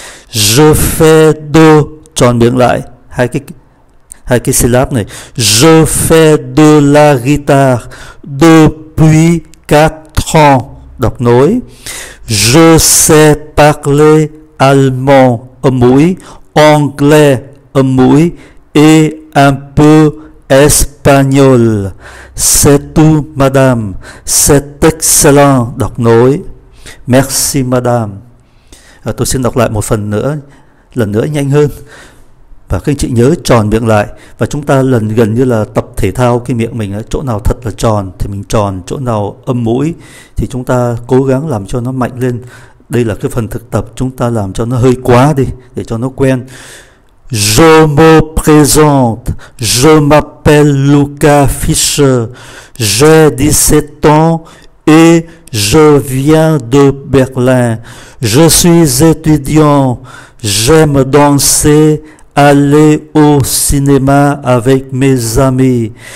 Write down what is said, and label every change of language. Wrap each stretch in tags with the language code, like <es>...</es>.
<fr>Je fais de,</fr> <vi>tròn miệng lại, hai cái syllabe này.</vi> <fr>Je fais de la guitare depuis 4 ans.</fr> <vi>Đọc nối.</vi> <fr>Je sais parler allemand.</fr> <vi>Âm mũi.</vi> <fr>Anglais.</fr> <vi>Âm mũi.</vi> <fr>Et un peu espagnol. C'est tout, madame. C'est excellent.</fr> <vi>Đọc nối.</vi> <fr>Merci, madame.</fr> <vi>Tôi xin đọc lại một phần nữa, lần nữa nhanh hơn. Và các anh chị nhớ tròn miệng lại. Và chúng ta lần gần như là tập thể thao cái miệng mình, chỗ nào thật là tròn thì mình tròn, chỗ nào âm mũi thì chúng ta cố gắng làm cho nó mạnh lên. Đây là cái phần thực tập chúng ta làm cho nó hơi quá đi, để cho nó quen.</vi> <fr>Je me présente, je m'appelle Lucas Fischer, j'ai 17 ans et je viens de Berlin. Je suis étudiant, j'aime danser, aller au cinéma avec mes amis.</fr>